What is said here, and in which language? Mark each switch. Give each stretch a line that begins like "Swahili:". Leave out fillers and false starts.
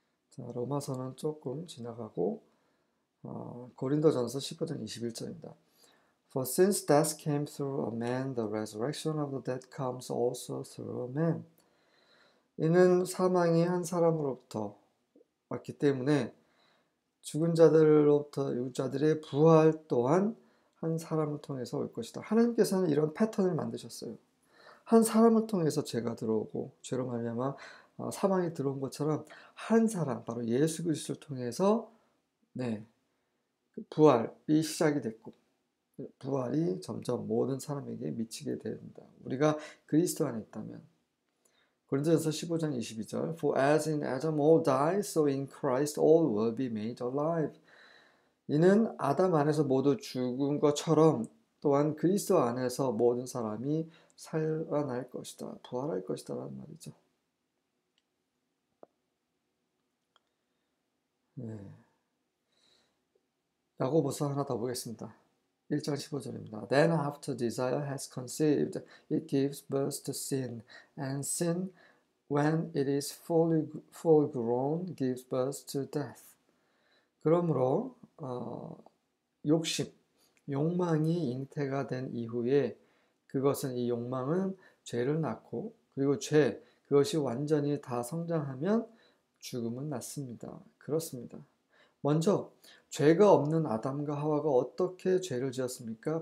Korean: 자, 로마서는 조금 지나가고 고린도전서 15장 21절입니다.
English: For since death came through a man, the resurrection of the dead comes also through a man.
Korean: 이는 사망이 한 사람으로부터 왔기 때문에 죽은 자들로부터 유자들의 부활 또한 한 사람을 통해서 올 것이다. 하나님께서는 이런 패턴을 만드셨어요. 한 사람을 통해서 죄가 들어오고 죄로 말미암아 사망이 들어온 것처럼 한 사람, 바로 예수 그리스도를 통해서 부활이 시작이 됐고 부활이 점점 모든 사람에게 미치게 된다. 우리가 그리스도 안에 있다면. 고린도전서 15장 22절
English: For as in Adam all die, so in Christ all will be made alive.
Korean: 이는 아담 안에서 모두 죽은 것처럼 또한 그리스도 안에서 모든 사람이 살아날 것이다. 부활할 것이다 라는 말이죠. 야고보서 하나 더 보겠습니다. 1장 15절입니다.
English: Then after desire has conceived, it gives birth to sin, and sin When it is full grown, gives birth to death.
Korean: 그러므로 욕심, 욕망이 잉태가 된 이후에 그것은 이 욕망은 죄를 낳고 그리고 죄 그것이 완전히 다 성장하면 죽음은 낫습니다. 그렇습니다. 먼저 죄가 없는 아담과 하와가 어떻게 죄를 지었습니까?